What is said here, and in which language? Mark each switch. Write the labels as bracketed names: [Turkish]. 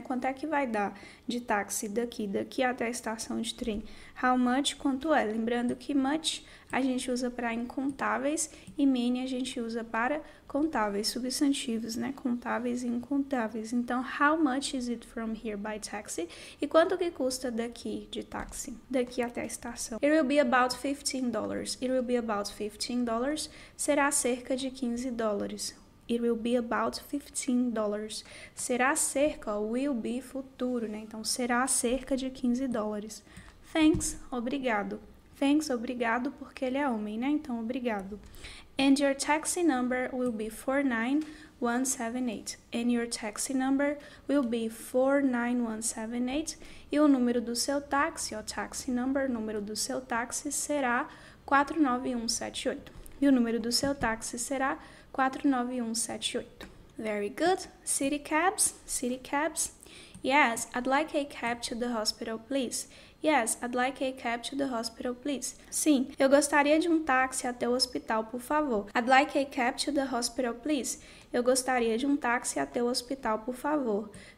[Portuguese] Quanto é que vai dar de táxi daqui até a estação de trem? [English] How much? [Portuguese] Quanto é? Lembrando que much a gente usa para incontáveis e many a gente usa para contáveis, substantivos, né? Contáveis e incontáveis. Então, [English] how much is it from here by taxi? [Portuguese] E quanto que custa daqui de táxi, daqui até a estação? [English] It will be about $15. [Portuguese] Será cerca de $15. [English] It will be about $15. [Portuguese] Será cerca, [English] will be [Portuguese] futuro, né? Então, será cerca de $15. [English] Thanks, [Portuguese] obrigado. [English] Thanks, [Portuguese] obrigado, porque ele é homem, né? Então, obrigado. [English] And your taxi number will be 49178. And your taxi number will be 49178. [Portuguese] E o número do seu táxi, o [English] taxi number, [Portuguese] o número do seu táxi será 49178. E o número do seu táxi será 49178. [English] Very good. [Portuguese] City cabs. [English] Yes, I'd like a cab to the hospital, please. Yes, I'd like a cab to the hospital, please. [Portuguese] Sim, eu gostaria de um táxi até o hospital, por favor. [English] I'd like a cab to the hospital, please. [Portuguese] Eu gostaria de um táxi até o hospital, por favor.